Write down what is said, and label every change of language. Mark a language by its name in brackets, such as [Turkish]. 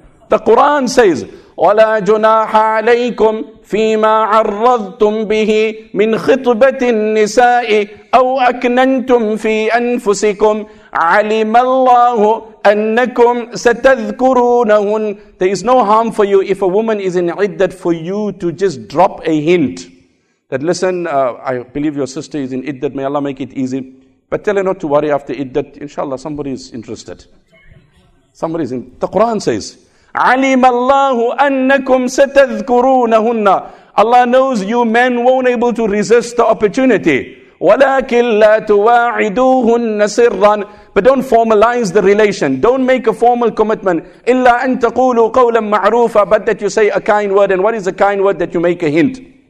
[English] The Quran says, [Arabic] وَلَا جُنَاحَ عَلَيْكُمْ فِي مَا عَرَّضْتُمْ بِهِ مِنْ خِطْبَةِ النِّسَاءِ أَوْ أَكْنَنْتُمْ فِي أَنفُسِكُمْ عَلِمَ اللَّهُ أَنَّكُمْ سَتَذْكُرُونَهُنْ. [English] There is no harm for you if a woman is in iddat for you to just drop a hint. That listen, I believe your sister is in iddat, may Allah make it easy. But tell her not to worry after iddat, inshallah somebody is interested. Somebody is in. The Quran says, [Arabic] عَلِمَ اللَّهُ أَنَّكُمْ سَتَذْكُرُونَهُنَّ. [English] Allah knows you men won't able to resist the opportunity. [Arabic] وَلَكِنْ لَا تُوَاعِدُوهُنَّ سِرًّا. [English] But don't formalize the relation. Don't make a formal commitment. [Arabic] إِلَّا أَن تَقُولُوا قَوْلًا مَعْرُوفًا. [English] But that you say a kind word. And what is a kind word? That you make a hint.